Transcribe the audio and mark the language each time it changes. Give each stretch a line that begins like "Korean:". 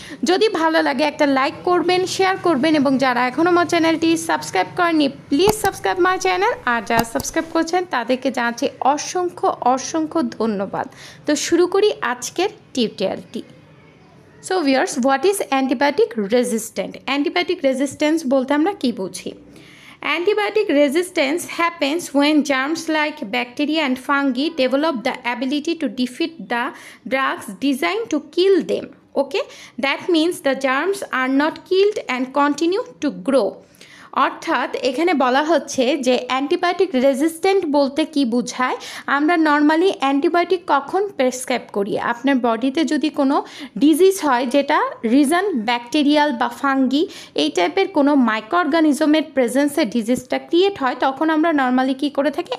Bangla: যদি ভালো লাগে একটা লাইক করবেন, শেয়ার করবেন এবং যারা এখনও আমার চ্যানেলটি সাবস্ক্রাইব করেননি
English: please subscribe my channel,
Bangla: আর যারা সাবস্ক্রাইব করছেন তাদেরকে জানাচ্ছি অসংখ্য অসংখ্য ধন্যবাদ। তো শুরু করি আজকের টিউটোরিয়ালটি।
English: So viewers, what is antibiotic resistant?
Bangla: Antibiotic resistance বলতে আমরা কী বুঝি?
English: Antibiotic resistance happens when germs like bacteria and fungi develop the ability to defeat the drugs designed to kill them. Okay, that means the germs are not killed and continue to grow.
Bangla: অর্থাৎ এখানে বলা হচ্ছে যে antibiotic resistant বলতে কি বোঝায়। আমরা normally antibiotic কখন প্রেসক্রাইব করি? আপনার বডিতে যদি কোনো ডিজিজ হয় যেটা রিজন ব্যাকটেরিয়াল বা ফাঙ্গি এই টাইপের কোনো মাইক্রো অর্গানিজমের প্রেজেন্সে ডিজিজটা ক্রিয়েট হয়, তখন আমরা নর্মালি কি করে থাকি?